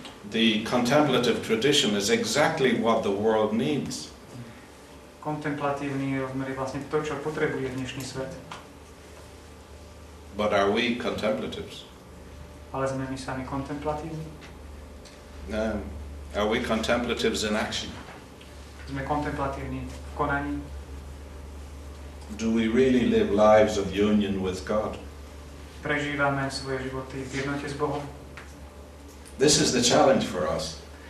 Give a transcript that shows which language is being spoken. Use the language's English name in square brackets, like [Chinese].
[English] The contemplative tradition is exactly what the world needs. [Slovak] Kontemplatívny rozmer je vlastne to, čo potrebuje dnešný svet. [English] But are we contemplatives? [Slovak] Ale sme my sami kontemplatívni? [English] No. Are we contemplatives in action? [Slovak] Sme kontemplatívni v konaní? [English] Do we really live lives of union with God? [Slovak] Prežívame svoje životy v jednote s Bohom? [English] This is the challenge for us.